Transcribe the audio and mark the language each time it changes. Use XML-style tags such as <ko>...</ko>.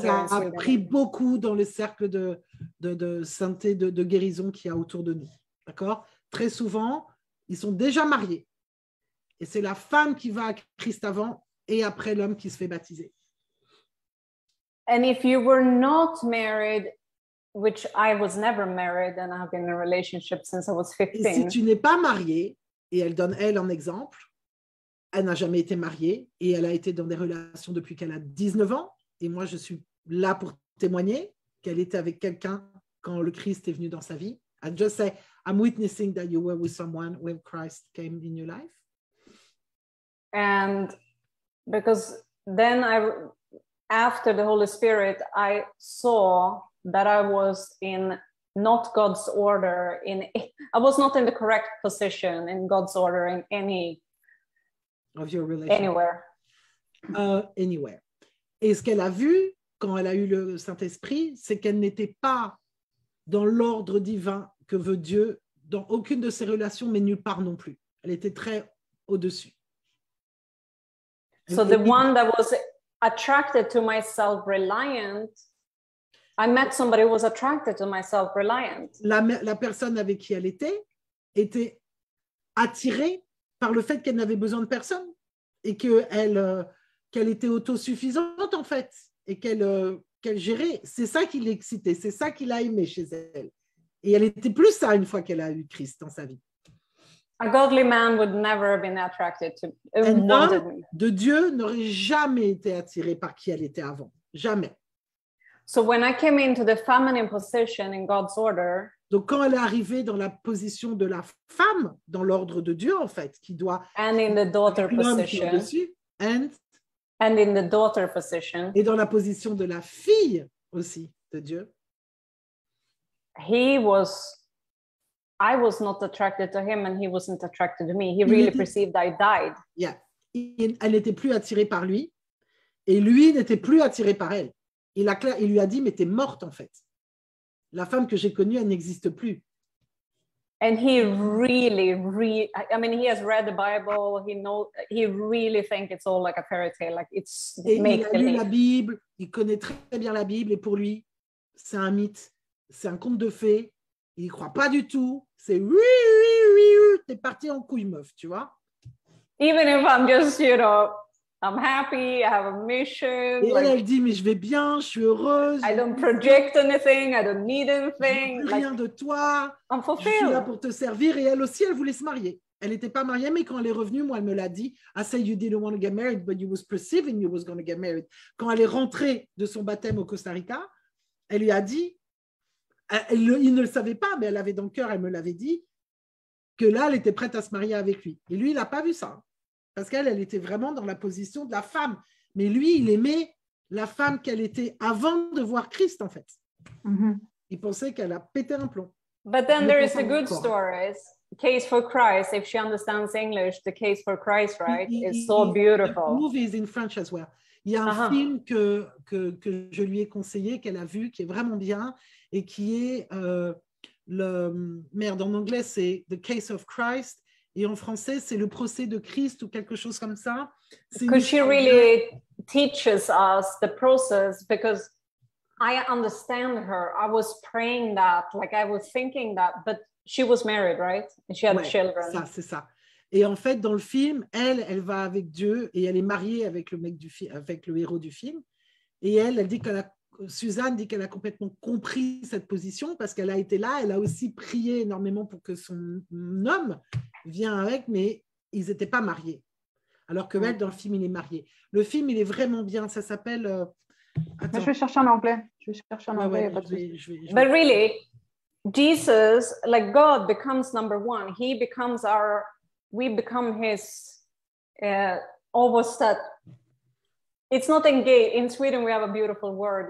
<fr>Ça a pris beaucoup dans le cercle de sainteté, de guérison qu'il y a autour de nous. D'accord? Très souvent, ils sont déjà mariés. Et c'est la femme qui va à Christ avant et après l'homme qui se fait baptiser.</fr> <en>And if you were not married, which I was never married and I've been in a relationship since I was 15.</en> <fr>Et si tu n'es pas mariée, et elle donne elle en exemple, elle n'a jamais été mariée et elle a été dans des relations depuis qu'elle a 19 ans, et moi je suis là pour témoigner qu'elle était avec quelqu'un quand le Christ est venu dans sa vie.</fr> <en>I just say, I'm witnessing that you were with someone when Christ came in your life. And because then I, after the Holy Spirit, I saw that I was in not God's order, in I was not in the correct position in God's order in any of your relationship. Anywhere. Anywhere.</en> <fr>Et ce qu'elle a vu quand elle a eu le Saint-Esprit, c'est qu'elle n'était pas dans l'ordre divin que veut Dieu dans aucune de ses relations, mais nulle part non plus. Elle était très au-dessus.</fr> <en>So the one that was attracted to my self-reliant, I met somebody who was attracted to my self-reliant.</en> <fr>La personne avec qui elle était attirée par le fait qu'elle n'avait besoin de personne et qu'elle était autosuffisante en fait et qu'elle gérait. C'est ça qui l'excitait, c'est ça qui l'a aimé chez elle. Et elle était plus ça une fois qu'elle a eu Christ dans sa vie.</fr> <en>A godly man would never have been attracted to</en> <fr>de Dieu n'aurait jamais été attiré par qui elle était avant, jamais.</fr> <en>So when I came into the feminine position in God's order,</en> <fr>donc quand elle est arrivée dans la position de la femme dans l'ordre de Dieu en fait, qui doit</fr> <en>and in the daughter position and in the daughter position</en> <fr>et dans la position de la fille aussi de Dieu,</fr> <en>I was not attracted to him and he wasn't attracted to me. He really perceived I died. Yeah.</en> <fr>Elle n'était plus attirée par lui et lui n'était plus attiré par elle. Il lui a dit, mais t'es morte en fait. La femme que j'ai connue, elle n'existe plus.</fr> <en>And he really, I mean, he has read the Bible. He really think it's all like a fairy tale. Like it's make believe.</en> <fr>Il a lu la Bible. Il connaît très bien la Bible et pour lui, c'est un mythe. C'est un conte de fées. Il croit pas du tout. C'est oui, t'es parti en couille meuf, tu vois.</fr> <en>Even if I'm just, you know, I'm happy, I have a mission.</en> <fr>Et like, elle dit, mais je vais bien, je suis heureuse.</fr> <en>I don't project anything, I don't need anything.</en> <fr>Je veux rien like, de toi.</fr> <en>I'm fulfilled.</en> <fr>Je suis là pour te servir. Et elle aussi, elle voulait se marier. Elle n'était pas mariée, mais quand elle est revenue, moi, elle me l'a dit.</fr> <en>I said you didn't want to get married, but you was perceiving you was going to get married.</en> <fr>Quand elle est rentrée de son baptême au Costa Rica, elle lui a dit, il ne le savait pas, mais elle avait dans le cœur, elle me l'avait dit, que là, elle était prête à se marier avec lui. Et lui, il n'a pas vu ça. Parce qu'elle, elle était vraiment dans la position de la femme. Mais lui, il aimait la femme qu'elle était avant de voir Christ, en fait. Mm-hmm. Il pensait qu'elle a pété un plomb.</fr> <en>But then there is a good story. Case for Christ, if she understands English, the case for Christ, right? It's so beautiful. The movie is in French as well.</en> <fr>Il y a un film que je lui ai conseillé, qu'elle a vu, qui est vraiment bien. Et qui est en anglais c'est The Case of Christ et en français c'est Le Procès de Christ ou quelque chose comme ça.</fr> <en>Because she really teaches us the process because I understand her. I was praying that, like I was thinking that, but she was married, right? And she had children.</en> <fr>Ça, c'est ça. Et en fait, dans le film, elle va avec Dieu et elle est mariée avec avec le héros du film. Et elle dit qu'elle a Suzanne dit qu'elle a complètement compris cette position parce qu'elle a été là. Elle a aussi prié énormément pour que son homme vienne avec, mais ils n'étaient pas mariés. Alors que elle, dans le film, il est marié. Le film, il est vraiment bien. Ça s'appelle. Je vais chercher en anglais. Je vais chercher en anglais.</fr> <en>But really, Jesus, like God, becomes number one. He becomes our. We become his. Almost that. It's not engaged. In Sweden, we have a beautiful word.</en>